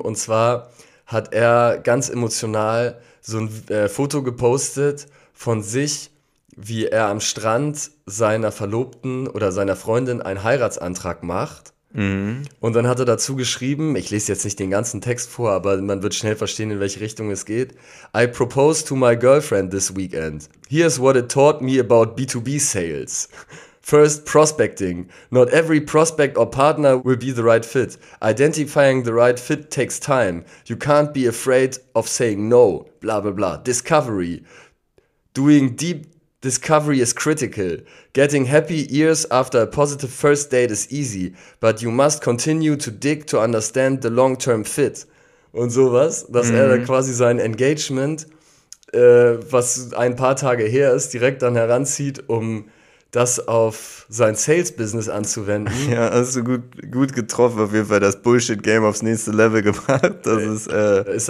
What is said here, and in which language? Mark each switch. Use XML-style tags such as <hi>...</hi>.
<de>Und zwar hat er ganz emotional so ein Foto gepostet von sich, wie er am Strand seiner Verlobten oder seiner Freundin einen Heiratsantrag macht. Und dann hat er dazu geschrieben, ich lese jetzt nicht den ganzen Text vor, aber man wird schnell verstehen, in welche Richtung es geht.</de> <en>I propose to my girlfriend this weekend. Here's what it taught me about B2B sales. First, prospecting. Not every prospect or partner will be the right fit. Identifying the right fit takes time. You can't be afraid of saying no. Bla bla bla. Discovery. Doing deep discovery is critical. Getting happy ears after a positive first date is easy, but you must continue to dig to understand the long-term fit.</en> <de>Und sowas, dass er da quasi sein Engagement, was ein paar Tage her ist, direkt dann heranzieht, um das auf sein Sales-Business anzuwenden. Ja, hast du gut getroffen, auf jeden Fall das Bullshit-Game aufs nächste Level gebracht. Das ist</de>